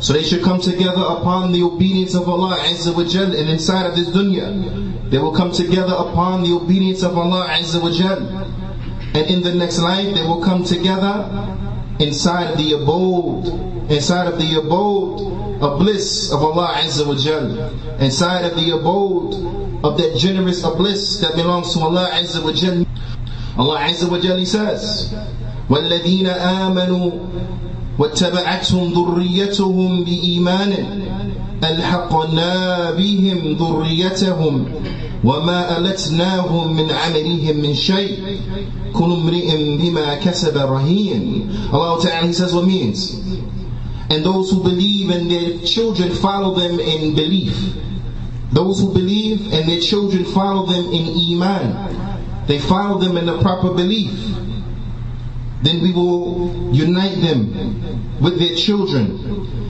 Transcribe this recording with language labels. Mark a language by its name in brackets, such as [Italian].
[English] So they should come together upon the obedience of Allah Azza wa Jal, and inside of this dunya, they will come together upon the obedience of Allah Azza wa Jal. And in the next life, they will come together inside of the abode, inside of the abode of bliss of Allah Azza wa Jal, inside of the abode of that generous bliss that belongs to Allah Azza wa Jal. [Arabic] Allah Azza wa Jal, [English] He says, [Arabic] وَالَّذِينَ آمَنُوا وَاتَّبَعَتْهُمْ ذُرِّيَّتُهُمْ بِإِيمَانٍ أَلْحَقْنَا بِهِمْ ذُرِّيَّتَهُمْ وَمَا أَلَتْنَاهُمْ مِنْ عَمَلِهِمْ مِنْ شَيْءٍ كُلُّ امْرِئٍ بِمَا كَسَبَ رَهِينٌ. [English] Allah Ta'ala, He says, what means? And those who believe and their children follow them in belief. Those who believe and their children follow them in iman. They follow them in the proper belief. Then we will unite them with their children.